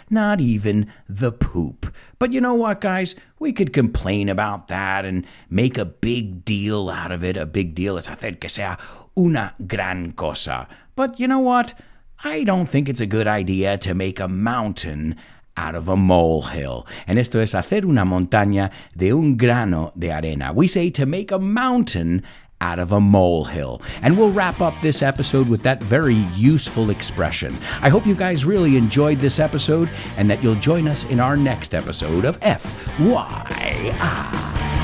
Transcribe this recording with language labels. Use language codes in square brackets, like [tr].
[en] Not even the poop. But you know what, guys? We could complain about that and make a big deal out of it. A big deal [es] es hacer que sea una gran cosa. [en] But you know what? I don't think it's a good idea to make a mountain out of a molehill. [es] And esto es hacer una montaña de un grano de arena. [en] We say to make a mountain out of a molehill. And we'll wrap up this episode with that very useful expression. I hope you guys really enjoyed this episode and that you'll join us in our next episode of FYI.